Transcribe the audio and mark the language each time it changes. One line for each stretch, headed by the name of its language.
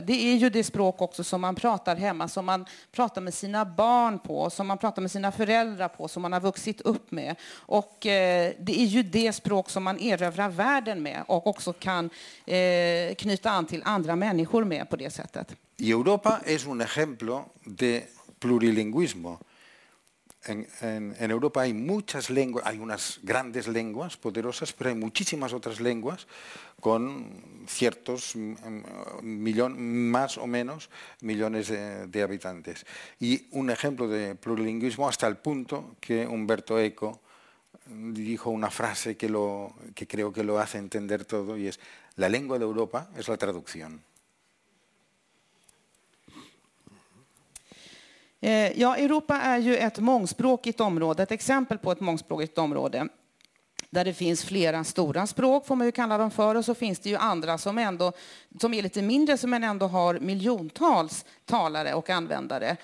Swedish: Det är ju det språk också som man pratar hemma, som man pratar med sina barn på, som man pratar med sina föräldrar på, som man har vuxit upp med. Och det är ju det språk som man erövrar världen med och också kan knyta an till andra människor med på det sättet. I Europa är
Spanish: un ejemplo de plurilingüismo. En Europa hay muchas lenguas, hay unas grandes lenguas poderosas, pero hay muchísimas otras lenguas con ciertos más o menos millones de habitantes. Y un ejemplo de plurilingüismo hasta el punto que Umberto Eco dijo una frase que creo que lo hace entender todo y es la lengua de Europa es la traducción.
Swedish: Ja, Europa är ju ett mångspråkigt område, ett exempel på ett mångspråkigt område där det finns flera stora språk, får man ju kalla dem för, och så finns det ju andra som ändå som är lite mindre som ändå har miljontals talare och användare.